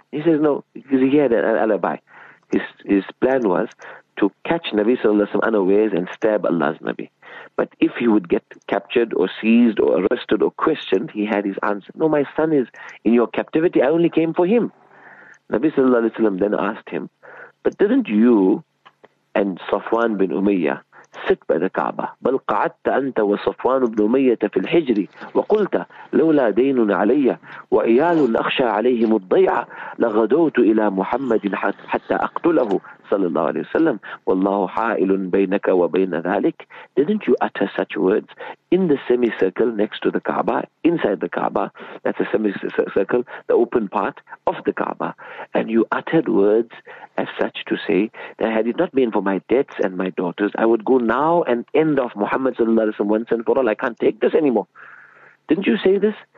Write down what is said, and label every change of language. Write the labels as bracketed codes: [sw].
[en] He says, no, because he had an alibi. His plan was to catch Nabi Sallallahu Alaihi Wasallam unawares and stab Allah's Nabi. But if he would get captured or seized or arrested or questioned, he had his answer. No, my son is in your captivity. I only came for him. Nabi Sallallahu Alaihi Wasallam then asked him, but didn't you and Safwan bin Umayyah sit by the Kaaba? [ar] بل قعدت أنت وصفوان بن أمية في الحجر وقلت لولا دين علي وعيال أخشى عليهم الضيعة لغدوت إلى محمد حتى أقتله صلى الله عليه وسلم والله حائل بينك وبين ذلك. [en] Didn't you utter such words in the semicircle next to the Kaaba, inside the Kaaba? That's a semicircle, the open part of the Kaaba. And you uttered words as such to say that had it not been for my debts and my daughters, I would go now and end off Muhammad sallallahu alaihi wasallam once and for all. I can't take this anymore. Didn't you say this?